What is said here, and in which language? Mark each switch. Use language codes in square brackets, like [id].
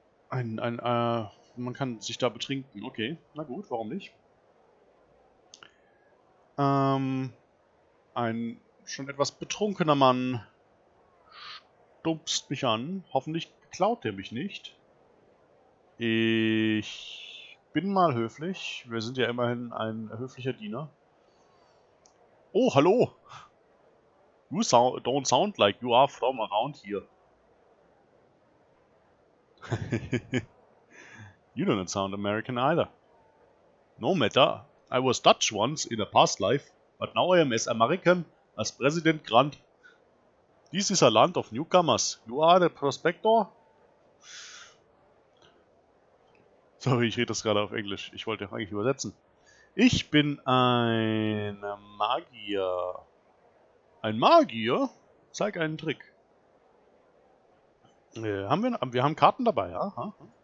[de] Man kann sich da betrinken. Okay, na gut, warum nicht? Ein schon etwas betrunkener Mann stupst mich an. Hoffentlich klaut er mich nicht. Ich bin mal höflich. Wir sind ja immerhin ein höflicher Diener. Oh, hallo. [en] You don't sound like you are from around here. You don't sound American either. No matter. I was Dutch once in a past life, but now I am as American as President Grant. This is a land of newcomers. You are the prospector? [de] Sorry, ich rede das gerade auf Englisch. Ich wollte eigentlich übersetzen. Ich bin ein Magier. Ein Magier? Zeig einen Trick. Wir haben Karten dabei, ja? Ha?